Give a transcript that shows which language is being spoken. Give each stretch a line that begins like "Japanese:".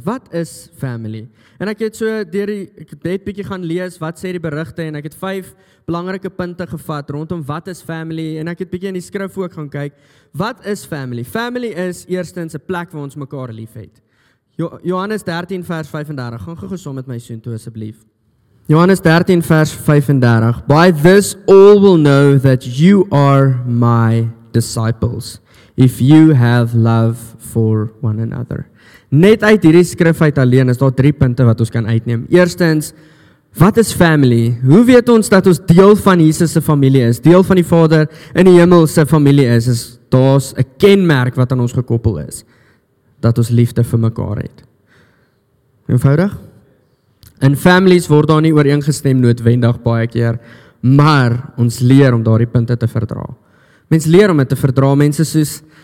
Afrikaans: Wat is familie? En ek het so, ek het bietjie gaan lees, wat sê die berigte, en ek het 5 belangrike punte gevat rondom wat is familie, en ek het bietjie in die skrif ook gaan kyk. Wat is familie? Familie is eerstens 'n plek waar ons mekaar lief het. Johannes 13 vers 35, gaan gou gesom met my soen toe asseblief.
English: Johannes 13 vers 35, by this all will know that you are my disciples, if you have love for one another.
Afrikaans: Net uit hierdie skrif uit alleen is daar 3 punte wat ons kan uitneem. Eerstens, wat is family? Hoe weet ons dat ons deel van Jesus se familie is? Deel van die Vader in die hemel se familie is? Is daar 'n kenmerk wat aan ons gekoppel is? Dat ons liefde vir mekaar het. Eenvoudig? In families word daar nie ooreengestem noodwendig baie keer, maar ons leer om daardie punte te verdra. Mens leer om dit te verdra, mense soos